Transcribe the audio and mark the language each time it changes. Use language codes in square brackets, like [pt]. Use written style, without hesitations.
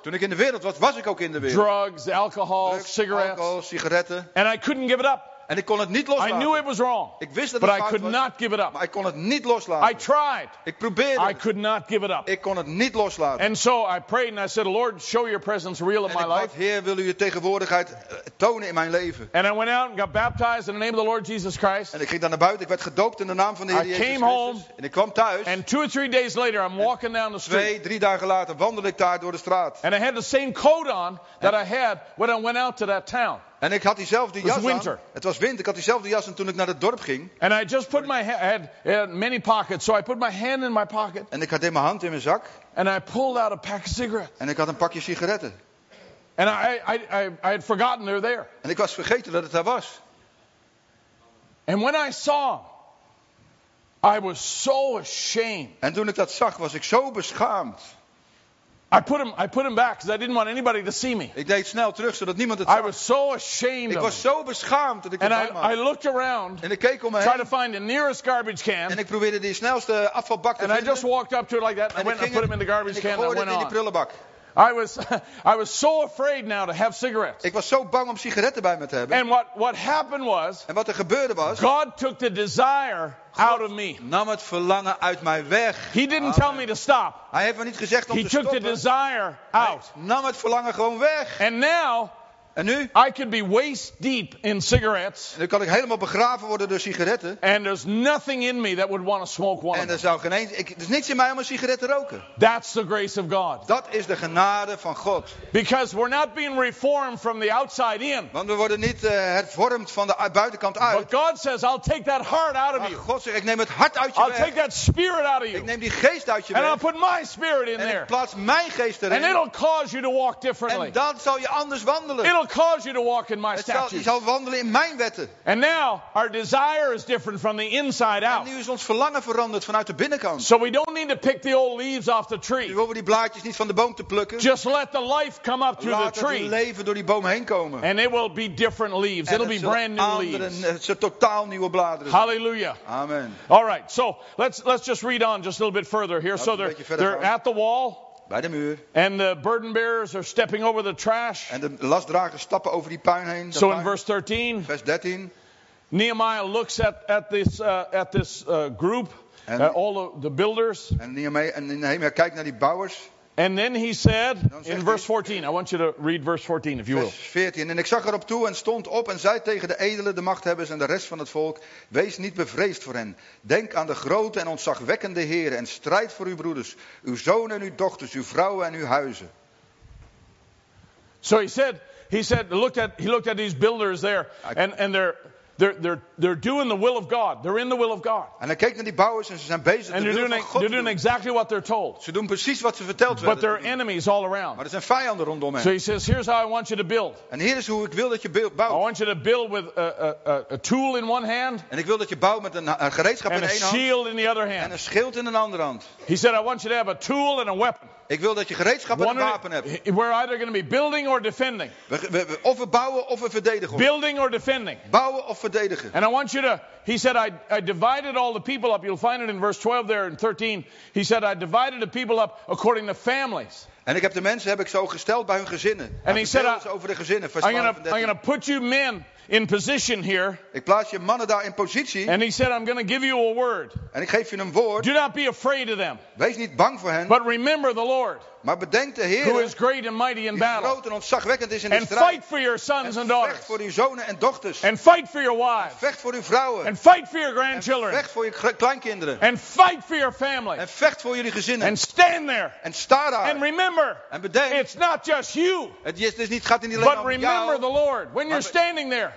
[nl] Toen ik in de wereld was ik ook in de wereld. [en] Drugs, alcohol, drugs, cigarettes. [nl] Alcohol, sigaretten. [en] And I couldn't give it up. [nl] En ik kon het niet loslaten. [en] I knew it was wrong. [nl] Ik wist dat [en] but [nl] het fout was. [en] Not give it up. [nl] Maar ik kon het niet loslaten. [en] I tried. [nl] Ik probeerde. [en] I could not give it up. [nl] Ik kon het niet loslaten. [en] And so I prayed and I said, Lord, show your presence real in my life. [nl] En ik bad, Heer, wil u je tegenwoordigheid tonen in mijn leven. [en] And I went out and got baptized in the name of the Lord Jesus Christ. [nl] En ik ging dan naar buiten. Ik werd gedoopt in de naam van de Heer Jezus Christus. [en] I came home. [nl] En ik kwam thuis. [en] And 2 or 3 days later, I'm walking down the street. [nl] 2-3 dagen later wandel ik daar door de straat. [en] And I had the same coat on that I had when I went out to that town. [nl] En ik had diezelfde jas aan. Het was winter. Ik had diezelfde jas aan toen ik naar het dorp ging. [en] And I just put my hand, I had many pockets, so I put my hand in my pocket. [nl] En ik had mijn hand in mijn zak. [en] And I pulled out a pack of cigarettes. [nl] En ik had een pakje sigaretten. [en] And I had forgotten they were there. [nl] En ik was vergeten dat het daar was. [en] And when I saw, I was so ashamed. [nl] En toen ik dat zag, was ik zo beschaamd. [en] I put him back because I didn't want anybody to see me. [nl] Ik deed snel terug zodat niemand het zag. [en] I was so ashamed. [nl] Ik was zo beschaamd dat ik [en] And I looked around. [nl] En ik keek om me heen. [en] Trying to find the nearest garbage can. [nl] En ik probeerde de snelste afvalbak te vinden. [en] And I just walked up to it like that. And I went and put him in the garbage can. [nl] En ik gooide het in die prullenbak. [en] I was so afraid now to have cigarettes. [nl] Ik was zo bang om sigaretten bij me te hebben. [en] And what happened was? [nl] En wat er gebeurde was? [en] God took the desire out of me. [nl] Nam het verlangen uit mij weg. [en] He didn't tell me to stop. [nl] Hij heeft me niet gezegd om te stoppen. [en] He took the desire out. [nl] Nam het verlangen gewoon weg. [en] And now. [nl] En nu? [en] I could be waist deep in cigarettes. [nl] Nu kan ik helemaal begraven worden door sigaretten. [en] And there's nothing in me that would want to smoke one. [nl] En er zou geen eens, er is niets in mij om een sigaret te roken. [en] That's the grace of God. [nl] Dat is de genade van God. [en] Because we're not being reformed from the outside in. [nl] Want we worden niet hervormd van de buitenkant uit. [en] But God says, I'll take that heart out of you. [nl] Maar God zegt, ik neem het hart uit je weg. [en] I'll take that spirit out of you. [nl] Ik neem die geest uit je weg. [en] And I'll put my spirit in there. [nl] En ik plaats mijn geest erin. [en] And it'll cause you to walk differently. [nl] En dan zal je anders wandelen. [en] It'll cause you to walk in my statutes. [nl] Je zal wandelen in mijn wetten. [en] And now our desire is different from the inside out. [nl] En nu is ons verlangen veranderd vanuit de binnenkant. [en] So we don't need to pick the old leaves off the tree. [nl] Nu hoeven die blaadjes niet van de boom te plukken. [en] Just let the life come up through [nl] Laat [en] the tree. [nl] Laat het leven door die boom heen komen. [en] And it will be different leaves. It'll be brand new [nl] andere, [en] leaves. [nl] Het zijn totaal nieuwe bladeren. [en] Hallelujah. Amen. All right. So let's just read on just a little bit further here. So they're at the wall. [nl] Bij de muur. [en] And the burden bearers are stepping over the trash. [nl] En de lastdragers stappen over die puin heen. [en] So [nl] puin. [en] In verse 13, [nl] vers 13. [en] Nehemiah looks at this group. And, all the builders. [nl] En Nehemiah kijkt naar die bouwers. [en] And then he said in verse 14. I want you to read verse 14 if you will. [nl] Vers 14. En ik zag erop toe en stond op en zei tegen de edelen, de machthebbers en de rest van het volk. Wees niet bevreesd voor hen. Denk aan de grote en ontzagwekkende Heer en strijd voor uw broeders, uw zonen en uw dochters, uw vrouwen en uw huizen. [en] So he said, he looked at these builders there. And they're doing the will of God. They're in the will of God. [nl] En hij keek naar die bouwers en ze zijn bezig met de wil van God. [en] They're doing exactly what they're told. [nl] Ze doen precies wat ze verteld werden. [en] But there are enemies all around. [nl] Maar er zijn vijanden rondom hen. [en] So he says, here's how I want you to build. [nl] En hier is hoe ik wil dat je bouwt. [en] I want you to build with a tool in one hand. [nl] En ik wil dat je bouwt met een gereedschap in één hand. [en] And a shield in the other hand. [nl] En een schild in een andere hand. [en] He said, I want you to have a tool and a weapon. [nl] Ik wil dat je gereedschap en een wapen hebt. [en] We're either going to be building or defending. [nl] Of we bouwen of we verdedigen. [en] Building or defending. [nl] Bouwen of verdedigen. [en] And I want you to, he said, I divided all the people up. You'll find it in verse 12 there in 13. He said, I divided the people up according to families. [nl] En ik heb de mensen heb ik zo gesteld bij hun gezinnen. [en] And he said, [nl] over de gezinnen. [en] I'm going to put you men in position here. [nl] Ik plaats je mannen daar in positie. [en] And he said, I'm going to give you a word. [nl] En ik geef je een woord. [en] Do not be afraid of them. [nl] Wees niet bang voor hen. [en] But remember the Lord. [nl] Maar bedenk de Heer. [en] Who is great and mighty in battle. [nl] Die groot en ontzagwekkend is in de strijd. [en] And fight for your sons and daughters. [nl] Vecht voor uw zonen en dochters. [en] And fight for your wives. [nl] En vecht voor uw vrouwen. [en] And fight for your grandchildren. [nl] En vecht voor je kleinkinderen. [en] And fight for your family. [nl] En vecht voor jullie gezinnen. [en] And stand there. [nl] En sta daar. [en] And remember. remember, [nl] en bedenk, [en] it's not just you. [nl] Het gaat niet alleen om jou. [en] But remember the Lord when you're standing there.